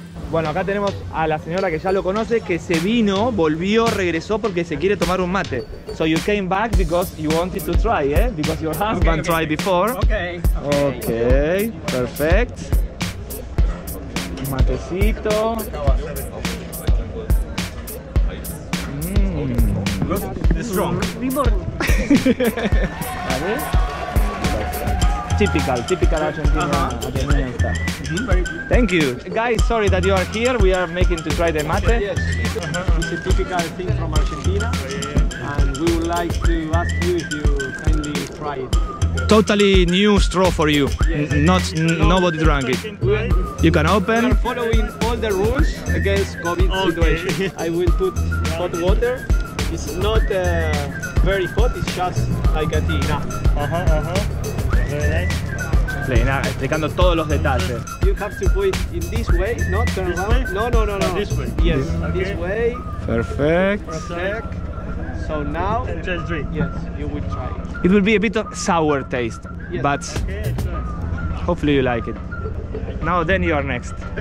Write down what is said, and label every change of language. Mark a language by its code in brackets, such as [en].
[es] Bueno, acá tenemos a la señora que ya lo conoce, que se vino, volvió, regresó porque se quiere tomar un mate. [en] So you came back because you wanted to try, eh? Because your husband tried before. Okay. Perfect. Matecito. Strong. typical Argentina. Thank you. Guys, sorry that you are here. We are making to try the mate. Yes. It's a typical thing from Argentina. And we would like to ask you if you kindly try it. Totally new straw for you. Yes. Nobody drank it. You can open. We are following all the rules against COVID situation. I will put hot water. It's not very hot, it's just like a tea. [es] Explicando todos los detalles. [en] You have to put it in this way, not turn this around. Way? No. This way. Yes, okay. This way. Perfect. So now, just drink. Yes, you will try it. It will be a bit of sour taste, yes. But hopefully you like it. Now then you are next.